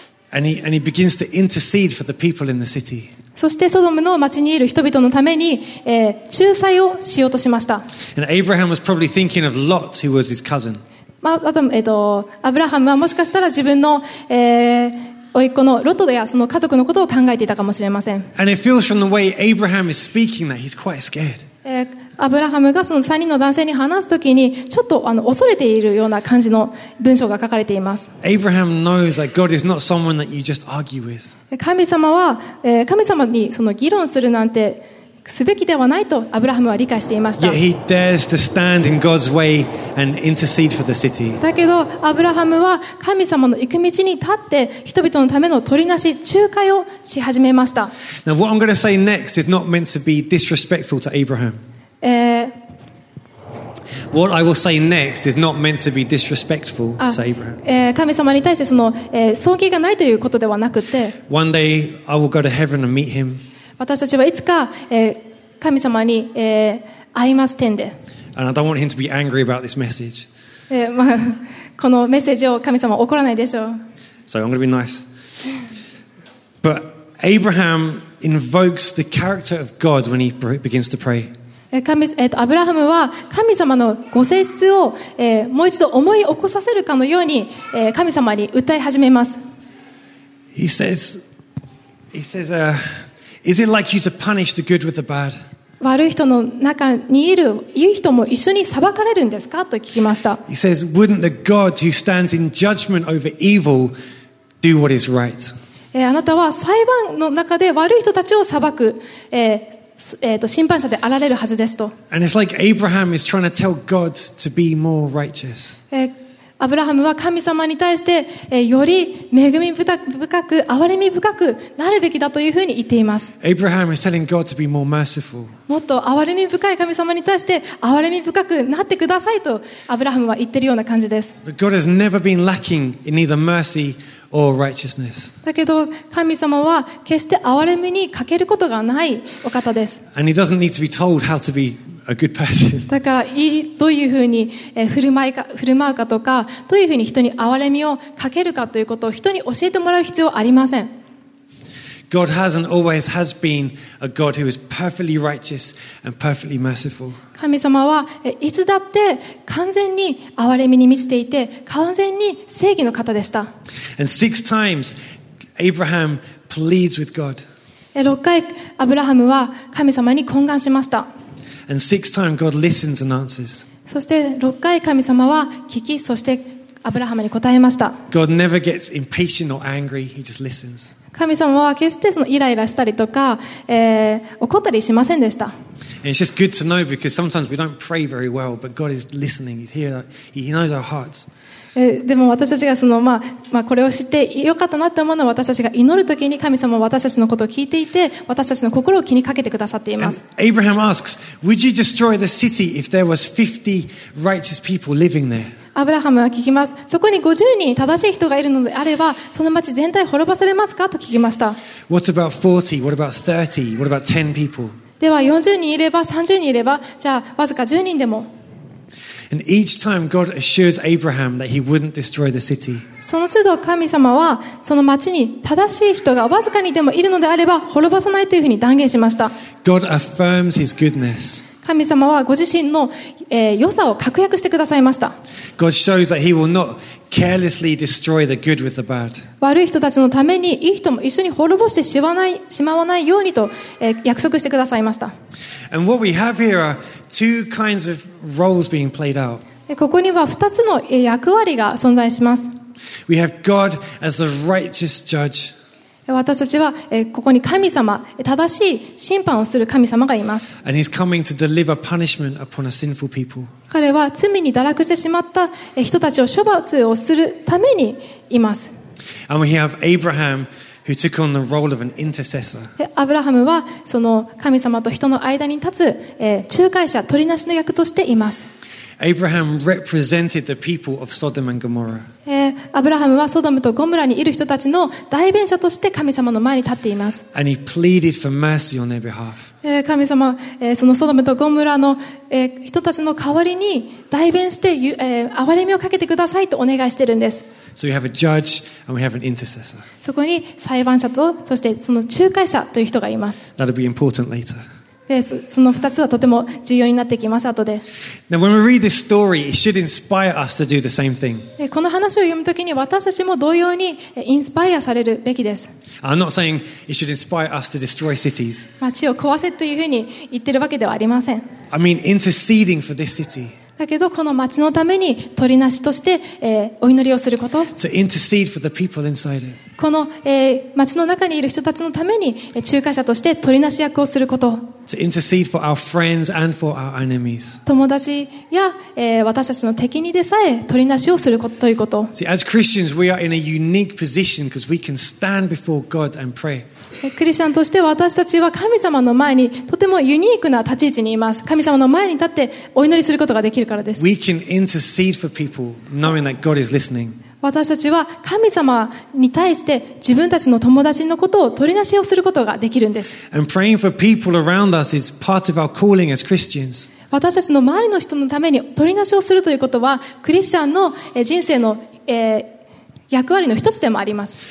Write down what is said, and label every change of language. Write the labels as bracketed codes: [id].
[en] And he begins to intercede for the people in the city. [ja] そしてソドムの町にいる人々のために、仲裁をしようとしました。 [en] And Abraham was probably thinking of Lot, who was his cousin. [ja] まあ、アブラハムはもしかしたら自分の、甥っ子のロトやその家族のことを考えていたかもしれません。 [en] And it feels from the way Abraham is speaking that he's quite scared. [ja] アブラハムがその3人の男性に話すときにちょっと恐れているような感じの文章が書かれています。 [en] Abraham knows that God is not someone that you just argue with. [ja] 神様は、神様にその議論するなんてすべきではないとアブラハムは理解していました。 [en] Yet he dares to stand in God's way and intercede for the city. [ja] だけどアブラハムは神様の行く道に立って人々のための取りなし仲介をし始めました。 [en] Now what I'm going to say next is not meant to be disrespectful to Abraham. What I will say next is not meant to be disrespectful to Abraham. [ja] 神様に対してその、尊敬がないということではなくて、 [en] One day I will go to heaven and meet him. [ja] 私たちはいつか、神様に、会います天で。 [en] And I don't want him to be angry about this message. [ja] まあ、このメッセージを神様は怒らないでしょう。 [en] So I'm going to be nice. But Abraham invokes the character of God when he begins to pray. [ja] アブラハムは神様のご性質を、もう一度思い起こさせるかのように、神様に訴え始めます。 [en] He says, Is it like you to punish the good with the bad? [ja] 悪い人の中にいる良い人も一緒に裁かれるんですかと聞きました。 [en] He says, wouldn't the God who stands in judgment over evil do what is right? [ja] あなたは裁判の中で悪い人たちを裁く、審判者であられるはずですと。 [en] And it's like Abraham is trying to tell God to be more righteous. [ja] アブラハムは神様に対して、より恵み深く憐れみ深くなるべきだというふうに言っています。 [en] Abraham is telling God to be more merciful. [ja] もっと憐れみ深い神様に対して憐れみ深くなってくださいとアブラハムは言っているような感じです。 [en] But God has never been lacking in either mercy or righteousness. [ja] だけど神様は決して憐れみに欠けることがないお方です。 [en] And he doesn't need to be told how to be a good person. [ja] だからどういうふうに振る舞うかとか、どういうふうに人に憐れみをかけるかということを人に教えてもらう必要はありません。 [en] God has and always has been a God who is perfectly righteous and perfectly merciful. [ja] 神様はいつだって完全に憐れみに満ちていて完全に正義の方でした。 [en] And six times Abraham pleads with God. [ja] 6回アブラハムは神様に懇願しました。 [en] And six times God listens and answers. [ja] そして6回神様は聞き、そしてアブラハムに答えました。 [en] God never gets impatient or angry, he just listens. [ja] 神様は決してそのイライラしたりとか、怒ったりしませんでした。 [en] It's just good to know because sometimes we don't pray very well, but God is listening. He's here. He knows our hearts. [ja] でも私たちがその、まあ、これを知ってよかったなって思うのは、私たちが祈るときに神様は私たちのことを聞いていて、私たちの心を気にかけてくださっています。 [en] Abraham asks, "Would you destroy the city if there was 50 righteous people living there?" [ja] アブラハムは聞きます。そこに50人正しい人がいるのであれば、その町全体滅ばされますかと聞きました。 [en] What about 40? What about 30? What about 10 people? [ja] では40人いれば、30人いれば、じゃあわずか10人でも。 [en] And each time God assures Abraham that he wouldn't destroy the city. [ja] その都度神様はその町に正しい人がわずかにでもいるのであれば滅ばさないというふうに断言しました。 [en] God affirms his goodness. [ja] 神様はご自身の、良さを確約してくださいました。 [en] God shows that he will not carelessly destroy the good with the bad. [ja] 悪い人たちのためにいい人も一緒に滅ぼしてしまわないようにと、約束してくださいました。 [en] And what we have here are two kinds of roles being played out. [ja] ここには二つの役割が存在します。 [en] We have God as the righteous judge. [ja] 私たちはここに神様、正しい審判をする神様がいます。 [en] And he's coming to deliver punishment upon a sinful people. [ja] 彼は罪に堕落してしまった人たちを処罰をするためにいます。 [en] And we have Abraham who took on the role of an intercessor. [ja] アブラハムはその神様と人の間に立つ仲介者、取りなしの役としています。 [en] Abraham represented the people of Sodom and Gomorrah. [ja] アブラハムはソドムとゴムラにいる人たちの代弁者として神様の前に立っています。 [en] And he pleaded for mercy on their behalf. [ja] 神様、そのソドムとゴムラの、人たちの代わりに代弁して、憐れみをかけてくださいとお願いしているんです。 [en] So we have a judge and we have an intercessor. [ja] そこに裁判者と、そしてその仲介者という人がいます。 [en] That'll be important later. [ja] でその2つはとても重要になってきます後で。 [en] Now, when we read this story, it should inspire us to do the same thing. [ja] この話を読むときに私たちも同様にインスパイアされるべきです。 [en] I'm not saying it should inspire us to destroy cities. [ja] 街を壊せというふうに言ってるわけではありません。 [en] I mean interceding for this city. [ja] だけどこの街のために取りなしとして、お祈りをすること。 [en] To intercede for the people inside it. [ja] この、街の中にいる人たちのために仲介者として取りなし役をすること。 [en] To intercede for our friends and for our enemies. [ja] 友達や、私たちの敵にでさえ取りなしをすることということ。 [en] See, as Christians, we are in a unique position because we can stand before God and pray. [ja] クリスチャンとして私たちは神様の前にとてもユニークな立ち位置にいます。神様の前に立ってお祈りすることができるからです。 [en] We can intercede for people knowing that God is listening. [ja] 私たちは神様に対して自分たちの友達のことを取りなしをすることができるんです。 [en] And praying for people around us is part of our calling as Christians. [ja] 私たちの周りの人のために取りなしをするということはクリスチャンの人生の、役割の一つでもあります。